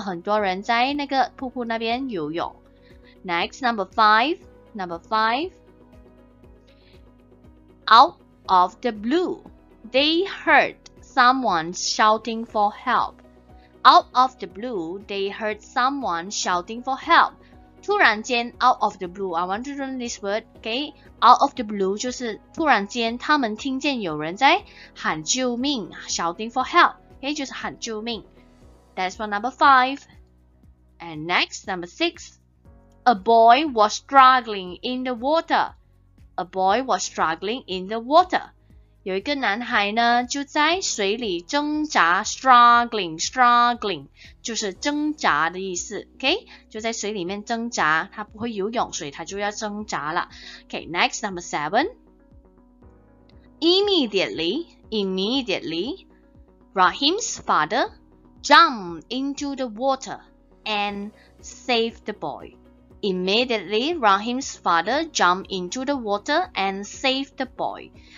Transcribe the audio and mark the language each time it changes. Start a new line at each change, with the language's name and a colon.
Chinese: 他就看到很多人在那个瀑布那边游泳.
English: Next, number 5. Number 5. Out of the blue, they heard someone shouting for help. Out of the blue, they heard someone shouting for help.
Chinese: 突然间,
English: out of the blue, I want to learn this word, okay? Out of the blue,
Chinese: 就是突然间他们听见有人在喊救命,
English: shouting for help, okay?
Chinese: 就是喊救命.
English: That's for number 5. And next, number 6. A boy was struggling in the water. A boy was struggling in the water.
Chinese: 有一个男孩呢就在水里挣扎, struggling, struggling 就是挣扎的意思, okay? 就在水里面挣扎, 他不会游泳, 所以他就要挣扎了.
English: Okay, next, number 7. Immediately, Rahim's father jumped into the water and saved the boy. Immediately, Rahim's father jumped into the water and saved the boy.